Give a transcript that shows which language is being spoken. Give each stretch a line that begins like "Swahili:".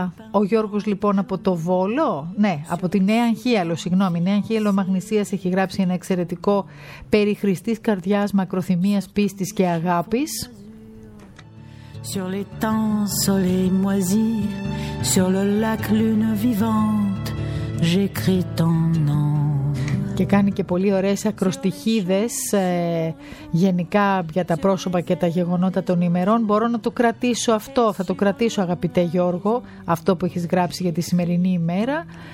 Greek: Ο Γιώργος λοιπόν από το Βόλο, ναι, από τη Νέα Αγχίαλο, συγγνώμη, Νέα Αγχίαλο Μαγνησίας, έχει γράψει ένα εξαιρετικό περί χρηστής καρδιάς, μακροθυμίας, πίστης και αγάπης.
French: Sur l'étang soleil moisi, sur le lac lune vivante, j'écris ton nom.
Greek: Και κάνει και πολύ ωραίες ακροστιχίδες γενικά για τα πρόσωπα και τα γεγονότα των ημερών. Μπορώ να το κρατήσω αυτό, θα το κρατήσω αγαπητέ Γιώργο, αυτό που έχεις γράψει για τη σημερινή ημέρα.